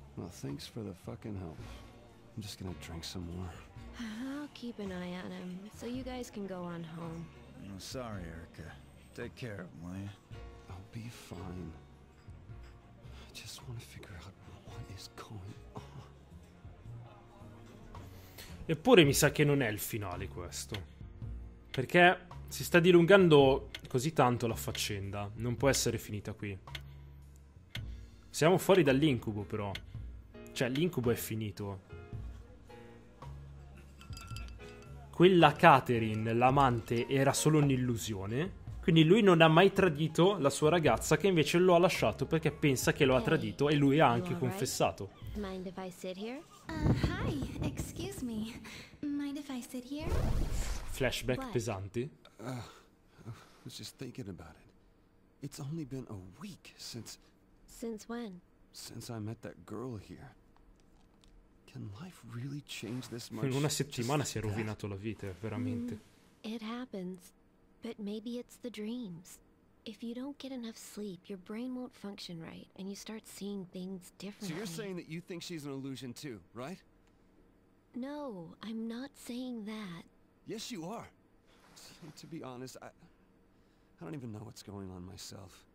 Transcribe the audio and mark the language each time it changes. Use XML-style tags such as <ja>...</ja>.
<en>Well, thanks for the fucking help. I'm just gonna drink some more. I'll keep an eye on him, so you guys can go on home. I'm sorry, Erica. Take care of him, will ya? I'll be fine. I just want to figure out what is going on.</en> <it>Eppure mi sa che non è il finale questo. Perché si sta dilungando così tanto la faccenda. Non può essere finita qui. Siamo fuori dall'incubo, però. Cioè, l'incubo è finito. quella Catherine, l'amante, era solo un'illusione. Quindi lui non ha mai tradito la sua ragazza, che invece lo ha lasciato perché pensa che lo ha tradito, e lui ha anche confessato.</it> <en>Mind if I sit here? Hi, excuse me. Mind if I sit here?</en> <it>Flashback pesanti.</it> <en>I was just thinking about it. It's only been a week since... Since when? Since I met that girl here. Can life really change this much?</en> <it>In una settimana si è rovinato la vita, veramente.</it> <en>It happens. But maybe it's the dreams. If you don't get enough sleep, your brain won't function right, and you start seeing things differently. So you're saying that you think she's an illusion too, right? No, I'm not saying that. Yes, you are. To be honest, I don't even know what's going on myself.</en>